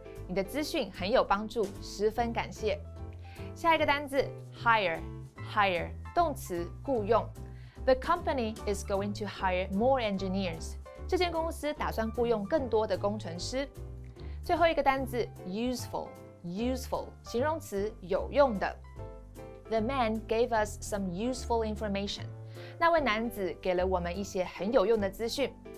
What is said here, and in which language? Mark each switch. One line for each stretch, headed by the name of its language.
Chinese: 你的资讯很有帮助，十分感谢。下一个单字 hire, 动词雇用。
English: The company is going to hire more engineers.
Chinese: 这间公司打算雇用更多的工程师。最后一个单字
English: useful,
Chinese: 形容词有用的。
English: The man gave us some useful information.
Chinese: 那位男子给了我们一些很有用的资讯。